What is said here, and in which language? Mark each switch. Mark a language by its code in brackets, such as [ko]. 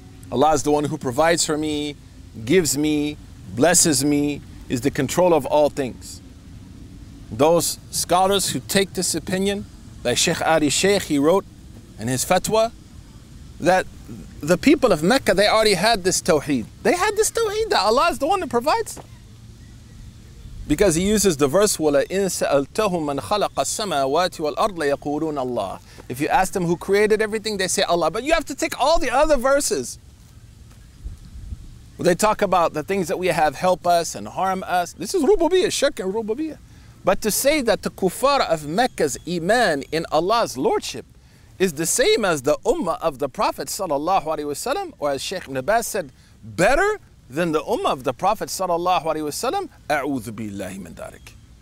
[en] Allah is the one who provides for me, gives me, blesses me, is the control of all things. Those scholars who take this opinion, like Sheikh Ali Sheikh, he wrote in his fatwa, that the people of Mecca, they already had this tawheed. They had this tawheed that Allah is the one who provides. Because he uses the verse, [ar] وَلَئِن سَأَلْتَهُمْ مَنْ خَلَقَ السَّمَاوَاتِ وَالْأَرْضِ لَيَقُولُونَ اللَّهِ. [en] If you ask them who created everything, they say Allah. But you have to take all the other verses. Well, they talk about the things that we have help us and harm us. This is rububiyyah, shirk and rububiyyah. But to say that the kuffar of Mecca's iman in Allah's lordship is the same as the ummah of the Prophet sallallahu alaihi wasallam, or as Sheikh Nabas said, better than the ummah of the Prophet sallallahu alaihi wasallam, [ar] a'udhu billahi min dharik.